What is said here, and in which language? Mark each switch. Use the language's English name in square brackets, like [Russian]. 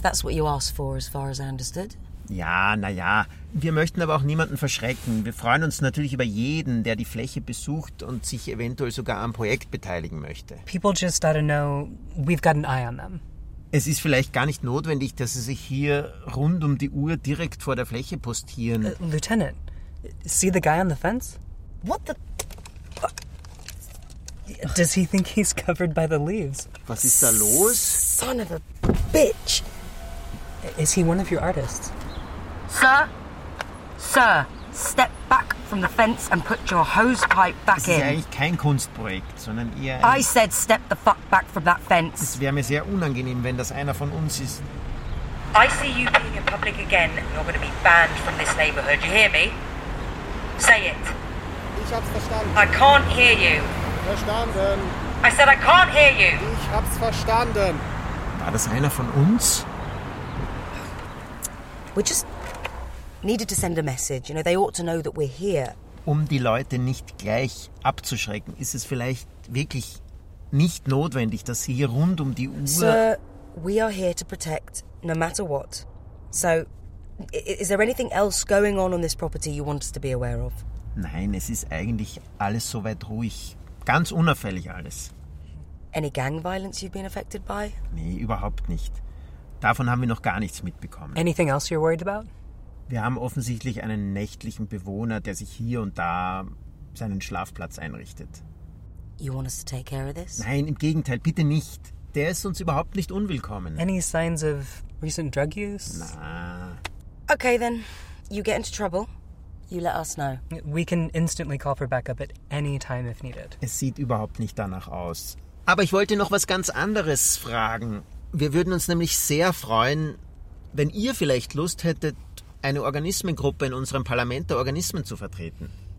[English] That's what you asked for, as far as I understood. [German] Ja, naja. Wir möchten aber auch niemanden verschrecken. Wir freuen uns natürlich über jeden, der die Fläche besucht und sich eventuell sogar am Projekt beteiligen möchte. [English] People just ought to know, we've got an eye on them. [German] Es ist vielleicht gar nicht notwendig, dass Sie sich hier rund um die Uhr direkt vor der Fläche postieren. [English] Lieutenant, see the guy on the fence? What the... Does he think he's covered by the leaves? [German] Was ist da los? [English] Son of a bitch! Is he one of your artists? Sir, step back from the fence and put your hosepipe back in. [German] Das ist eigentlich kein Kunstprojekt, sondern eher ein... [English] I said step the fuck back from that fence. [German] Es wäre mir sehr unangenehm, wenn das einer von uns ist. [English] I see you being in public again and you're going to be banned from this neighborhood. You hear me? Say it. [German] Ich hab's verstanden. [English] I can't hear you. [German] Verstanden. [English] I said I can't hear you. [German] Ich hab's verstanden. War das einer von uns? [English] We just... needed to send a message. You know, they ought to know that we're here. [German] Um die Leute nicht gleich abzuschrecken, ist es vielleicht wirklich nicht notwendig, dass sie hier rund um die Uhr... [English] Sir, we are here to protect, no matter what. So, is there anything else going on this property you want us to be aware of? [German] Nein, es ist eigentlich alles soweit ruhig. Ganz unauffällig alles. [English] Any gang violence you've been affected by? [German] Nee, überhaupt nicht. Davon haben wir noch gar nichts mitbekommen. [English] Anything else you're worried about? [German] Wir haben offensichtlich einen nächtlichen Bewohner, der sich hier und da seinen Schlafplatz einrichtet. [English] You want us to take care of this? [German] Nein, im Gegenteil, bitte nicht. Der ist uns überhaupt nicht unwillkommen. [English] Any signs of recent drug use? Nah. Okay, then. You get into trouble, you let us know. We can instantly call for backup at any time if needed. [German] Es sieht überhaupt nicht danach aus. Aber ich wollte noch was ganz anderes fragen. Wir würden uns nämlich sehr freuen, wenn ihr vielleicht Lust hättet, eine Organismengruppe in unserem Parlament der Organismen zu vertreten.